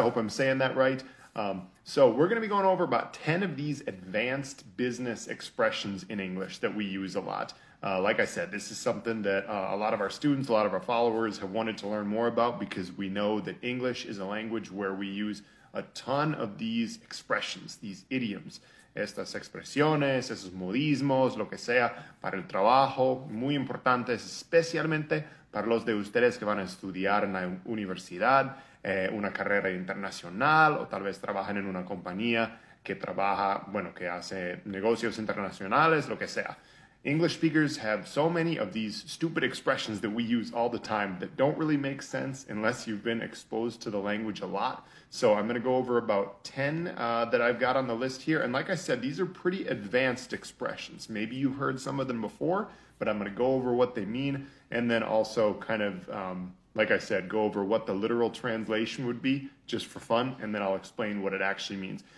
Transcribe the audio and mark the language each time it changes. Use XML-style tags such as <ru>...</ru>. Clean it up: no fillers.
<en>I hope I'm saying that right. So we're going to be going over about 10 of these advanced business expressions in English that we use a lot. Like I said, this is something that a lot of our students, a lot of our followers have wanted to learn more about because we know that English is a language where we use a ton of these expressions, these idioms.</en> <es>Estas expresiones, esos modismos, lo que sea, para el trabajo, muy importantes, especialmente para los de ustedes que van a estudiar en la universidad, una carrera internacional, o tal vez trabajan en una compañía que trabaja, bueno, que hace negocios internacionales, lo que sea.</es> <en>English speakers have so many of these stupid expressions that we use all the time that don't really make sense unless you've been exposed to the language a lot. So I'm going to go over about 10 that I've got on the list here. And like I said, these are pretty advanced expressions. Maybe you've heard some of them before, but I'm going to go over what they mean and then also kind of, like I said, go over what the literal translation would be just for fun, and then I'll explain what it actually means.</en>